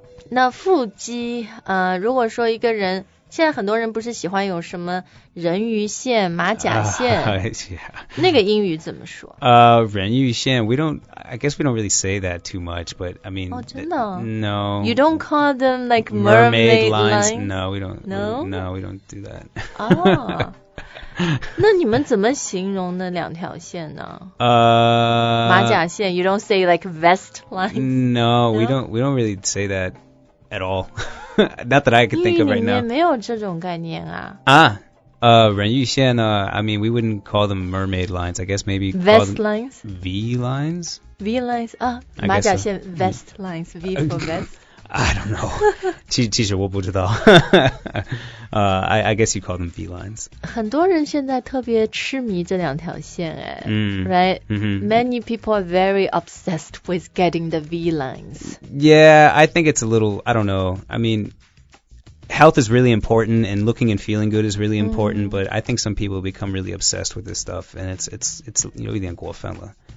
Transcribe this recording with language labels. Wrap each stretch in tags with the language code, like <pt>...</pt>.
<zh>那腹肌，如果说一个人，现在很多人不是喜欢有什么人鱼线、马甲线，那个英语怎么说？</zh> <en>人鱼线 ，I guess we don't really say that too much, but I mean,</en> <zh>哦，真的</zh> <en>？No, you don't call them like mermaid lines? No, we don't do that.</en> <zh>哦。那你们怎么形容那两条线呢？</zh> <en>马甲线 ，you don't say like vest lines. No, we don't really say that at all. Not that I can think of right now.</en> <zh>没有这种概念啊。</zh> <en>人鱼线呢 ？I mean, we wouldn't call them mermaid lines. I guess maybe vest lines. V lines. V lines 啊，马甲线 vest lines. V for vest. I don't know.</en> <zh>其实我不知道。</zh> <en>I guess you call them V lines.</en> <zh>很多人现在特别痴迷这两条线哎。</zh> <en>Right? Mm-hmm. Many people are very obsessed with getting the V lines. Yeah, I think it's a little, I don't know. I mean, health is really important and looking and feeling good is really important, but I think some people become really obsessed with this stuff and it's</en> <zh>有一点过分了。</zh>